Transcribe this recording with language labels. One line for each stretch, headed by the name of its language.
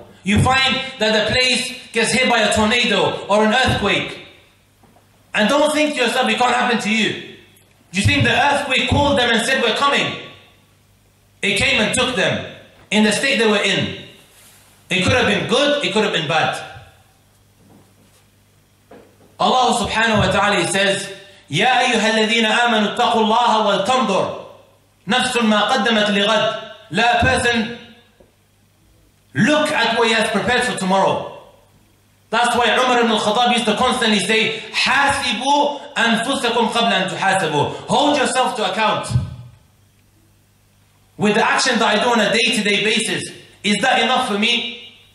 English: You find that the place gets hit by a tornado or an earthquake. And don't think to yourself, it can't happen to you. You think the earthquake called them and said, we're coming. It came and took them in the state they were in. It could have been good, it could have been bad.
Arabic: Allah subhanahu wa ta'ala says, يَا أَيُّهَا الَّذِينَ آمَنُوا اتَّقُوا اللَّهَ وَالْتَنْظُرْ نَفْسٌ مَا قَدَّمَتْ لِغَدْ.
English: Let a person look at what he has prepared for tomorrow. That's why Umar ibn al-Khattab used to constantly say, حَاسِبُوا أَنفُسَكُمْ قَبْلَ أَن تُحَاسَبُوا. Hold yourself to account. With the action that I do on a day-to-day basis, is that enough for me?